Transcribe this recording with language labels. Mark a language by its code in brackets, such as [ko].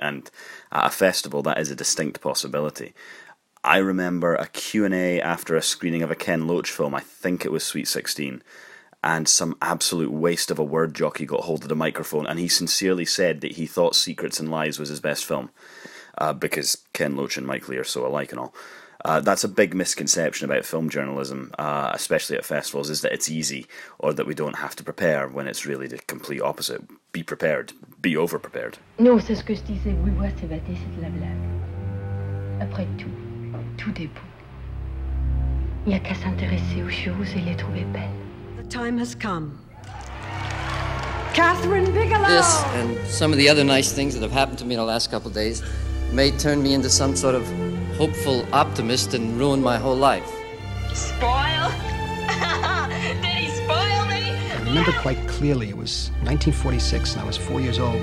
[en] And at a festival, that is a distinct possibility. I remember a Q&A after a screening of a Ken Loach film, I think it was Sweet 16, and some absolute waste of a word jockey got hold of the microphone, and he sincerely said that he thought Secrets and Lies was his best film, because Ken Loach and Mike Lee are so alike and all. That's a big misconception about film journalism, especially at festivals, is that it's easy, or that we don't have to prepare, when it's really the complete opposite. Be prepared. Be over-prepared. [fr] No, c'est ce que je disais. Oui, moi, c'est vaté, c'est de la blague. Après tout, tout est bon. Il n'y a qu'à s'intéresser aux choses et les trouver belles. [en] Time has come. Catherine Bigelow! This and some of the other nice things that have happened to me in the last couple days may turn me into some sort of hopeful optimist and ruin my whole life. Spoil? Did he spoil me? I remember quite clearly it was 1946 and I was 4 years old.